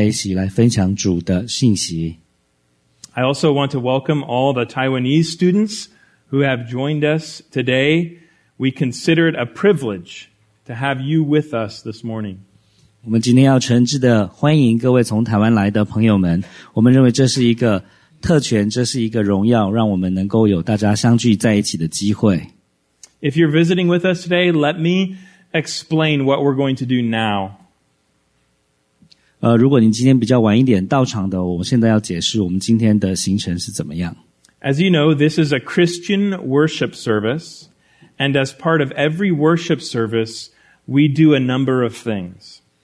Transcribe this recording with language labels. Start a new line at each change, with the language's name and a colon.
Chinese: 今天很高兴我们可以聚集在一起来分享主的信息。
English: I also want to welcome all the Taiwanese students who have joined us today. We consider it a privilege to have you with us this morning.
Chinese: 我们今天要诚挚地欢迎各位从台湾来的朋友们。我们认为这是一个特权，这是一个荣耀，让我们能够有大家相聚在一起的机会。If
English: you're visiting with us today, let me explain what we're going to do now.
Chinese: 如果您今天比较晚一点到场的，我现在要解释我们今天的行程是怎么样。
English: As you know, this is a Christian worship service, and as part of every worship service, we do a number of things.